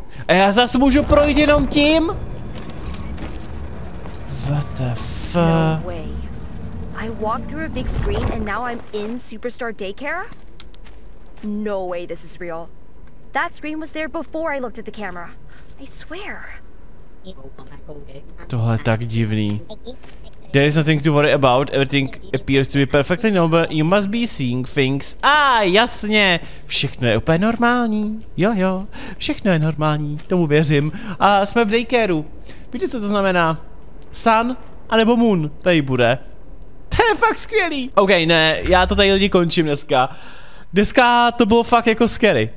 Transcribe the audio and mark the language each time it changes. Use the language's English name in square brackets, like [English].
[Czech] A já zase můžu projít jenom tím? [English] What the fuck? I walked through a big screen and now I'm in Superstar Daycare? No way this is real. That screen was there before I looked at the camera. I swear. [Czech] Tohle je tak divný. [English] There is nothing to worry about. Everything appears to be perfectly normal. You must be seeing things. [Czech] Ah, jasně. Všechno je úplně normální. Jo, jo. Všechno je normální. Tomu věřím. A jsme v daycareu. Víte, co to znamená? Sun anebo moon tady bude. To je fakt skvělý. OK, ne, já to tady lidi končím dneska. Dneska to bylo fakt jako scary.